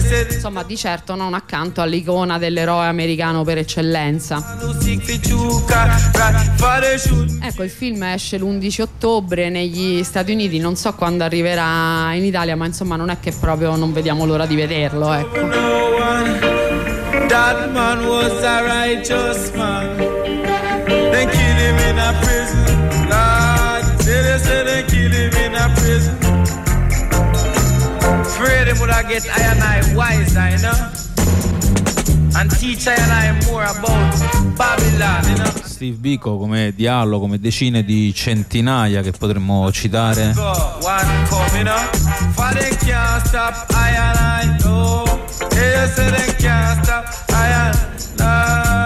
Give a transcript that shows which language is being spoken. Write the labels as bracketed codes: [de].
[it] Insomma, di certo non accanto all'icona dell'eroe americano per eccellenza. Ecco, il film esce l'11 ottobre negli Stati Uniti, non so quando arriverà in Italia, ma insomma non è che proprio non vediamo l'ora di vederlo, ecco. [en] That man was a righteous man. They kill him in a prison. Lord, they say they kill him in a prison. Afraid him would I get I and I wiser, you know? And teach I and I more about Babylon, you know? [it] Steve Biko come dialogo, come decine di centinaia che potremmo citare. [en] One coming up. For they can't stop I and I, no. They say they can't stop I and I.